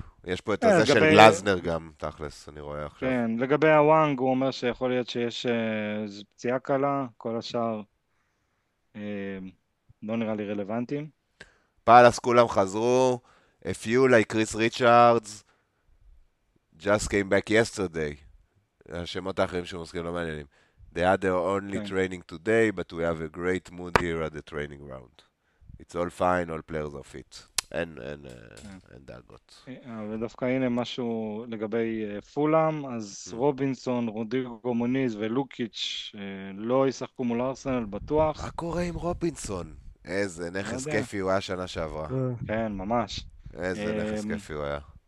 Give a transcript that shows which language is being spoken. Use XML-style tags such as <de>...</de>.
<he>יש פה את הזה של גלזנר גם, תכלס, אני רואה עכשיו. כן, לגבי הוואנג, הוא אומר שיכול להיות שיש פציעה קלה, כל השאר לא נראה לי רלוונטיים. פאלאס, כולם חזרו.</he> <en>A few like Chris Richards just came back yesterday.</en> <he>השמות האחרים שמוזכים לא מעניינים.</he> <en>They had their only training today, but we have a great mood here at the training ground. It's all fine, all players are fit.</en> <he>אין דאגות. ודווקא הנה משהו לגבי פולאם, אז רובינסון, רודריגו מוניז ולוקיץ' לא ישחקו מול ארסנל, בטוח. מה קורה עם רובינסון? איזה נכס כיפי הוא היה שנה שעברה. כן, ממש. איזה נכס כיפי הוא היה.</he>